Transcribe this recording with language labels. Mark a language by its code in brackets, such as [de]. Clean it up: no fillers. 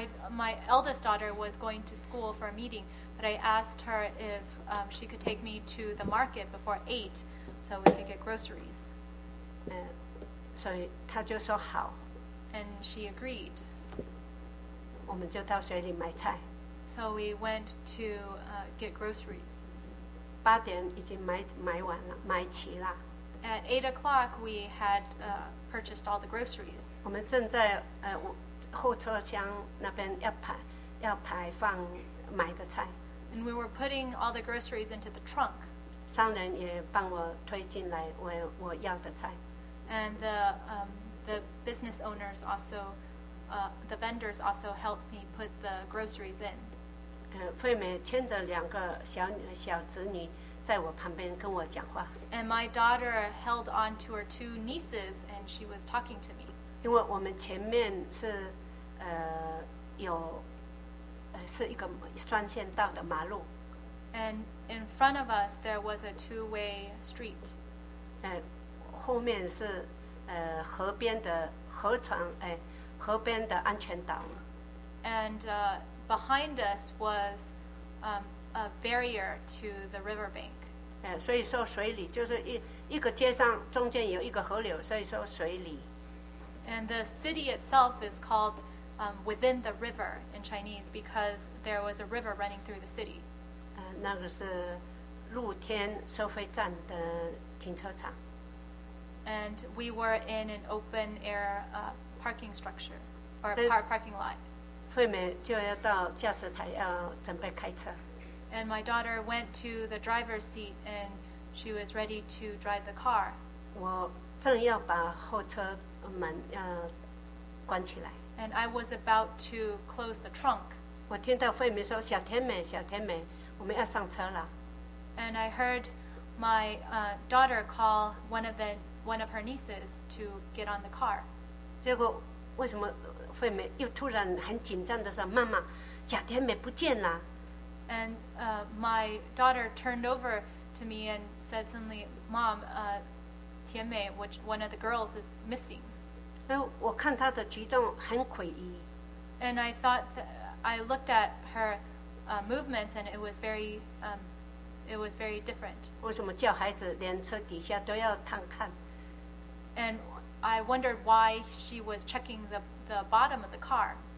[en] My eldest daughter was going to school for a meeting, but I asked her if she could take me to the market before 8, so we could get groceries. [zh] 所以她就说好。 [en] And she agreed. [zh] 我们就到水里买菜。 [en] So we went to get groceries. [zh] 八点已经买完了，买齐了。 [en] At 8 o'clock, we had purchased all the groceries. [zh] 我们正在后车厢那边要排放买的菜。 [en] And we were putting all the groceries into the trunk. [zh] 商人也帮我推进来我要的菜。 [en] And the business owners also, the vendors also helped me put the groceries in. [zh] 惠美牵着两个小子女在我旁边跟我讲话。 [en] And my daughter held on to her two nieces, and she was talking to me. [zh] 因为我们前面是有是一个双线道的马路。 [en] And in front of us, there was a two-way street. [zh] 后面是河边的河床，河边的安全岛。 [en] And behind us was a barrier to the riverbank. [zh] 所以说水里就是一个街上中间有一个河流，所以说水里。 [en] And the city itself is called within the river in Chinese because there was a river running through the city. [zh] 那个是露天收费站的停车场。 [en] And we were in an open air parking structure or parking lot. [zh] 惠美就要到驾驶台要准备开车。 [en] And my daughter went to the driver's seat and she was ready to drive the car. [zh] 我正要把后车门关起来。 [en] And I was about to close the trunk. [zh] 我听到惠美说：“小甜美，小甜美，我们要上车了。” [en] And I heard my daughter call one of her nieces to get on the car. [zh] 结果为什么惠美又突然很紧张的说：“妈妈，小甜美不见了。” [en] And my daughter turned over to me and said suddenly, "Mom, Tian Mei, which one of the girls is missing?" [zh] 我看她的举动很诡异。 [en] And I thought I looked at her movements, and it was very. It was very different. [zh] 为什么叫孩子连车底下都要探看？ [en] And I wondered why she was checking the bottom of the car.